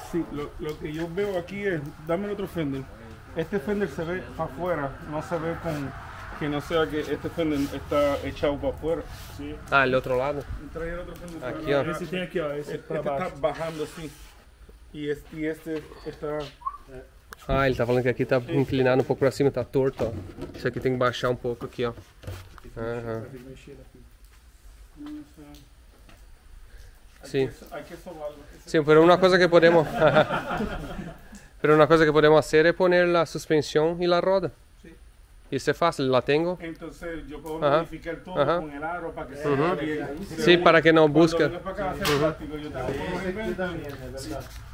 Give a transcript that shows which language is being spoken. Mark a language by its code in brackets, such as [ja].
[es] Sí, lo que yo veo aquí es... Dame otro fender. Este fender se ve para afuera, no se ve con que no sea que este fender está echado para afuera. Sí. Ah, el otro lado. Trae el otro fender. Aquí, ¿no? Ese tiene aquí, ese este está bajando así. Y este está... [pt] Ah, ele tá falando que aqui tá inclinado um pouco para cima, tá torto, ó. Isso aqui tem que baixar um pouco aqui, ó. Sim. Sim, mas uma coisa que podemos... [es] Pero una cosa que podemos hacer es poner la suspensión y la roda. Sí. Y es fácil, la tengo. Entonces yo puedo modificar todo con el aro para que se vea. Sí, para que no busque. Cuando venga para acá, hace plástico, yo te lo pongo aquí también, es verdad.